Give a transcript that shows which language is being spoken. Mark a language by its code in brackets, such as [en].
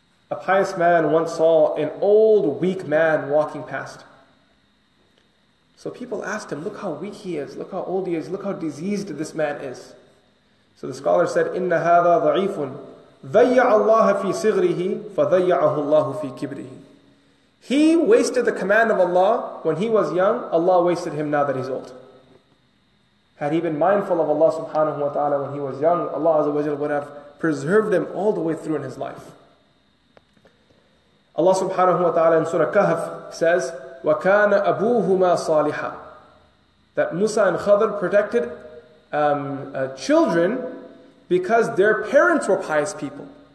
[en] A pious man once saw an old, weak man walking past. So people asked him, look how weak he is, look how old he is, look how diseased this man is. [ar] So the scholar said, إِنَّ هَذَا ضَعِيفٌ ذَيَّعَ اللَّهَ فِي صِغْرِهِ فَذَيَّعَهُ اللَّهُ فِي كِبْرِهِ. [en] He wasted the command of Allah when he was young, Allah wasted him now that he's old. Had he been mindful of Allah subhanahu wa ta'ala when he was young, Allah azza wa jalla would have preserved him all the way through in his life. Allah subhanahu wa ta'ala in Surah Kahf says, [ar] وَكَانَ أَبُوهُمَا صَالِحًا, [en] that Musa and Khadr protected children because their parents were pious people.